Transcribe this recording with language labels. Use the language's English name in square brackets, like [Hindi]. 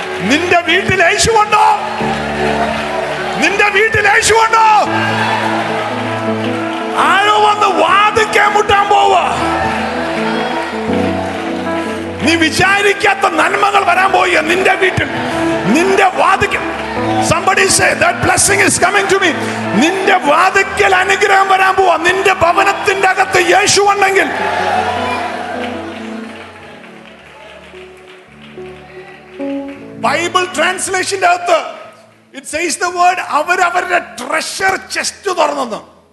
[Malayalam] നിന്റെ വീട്ടിൽ യേശുവുണ്ടോ? നിന്റെ വീട്ടിൽ യേശുവുണ്ടോ? ആരോ വന്ന് വാതുക്കെ മുട്ടാൻ പോവുക. നീ വിചാരിക്കാത്ത നന്മകൾ വരാൻ പോയി നിന്റെ വീട്ടിൽ, നിന്റെ വാതുക്കൽ. [English] Somebody say that blessing is coming to me. [Malayalam] നിന്റെ വാതുക്കൽ അനുഗ്രഹം വരാൻ പോവുക. നിന്റെ ഭവനത്തിന്റെ അകത്ത് യേശു ഉണ്ടെങ്കിൽ ബൈബിൾ ട്രാൻസ്ലേഷന്റെ അകത്ത് [English] it says the word [Malayalam] അവരവരുടെ ട്രഷർ ചെസ്റ്റ് തുറന്നു.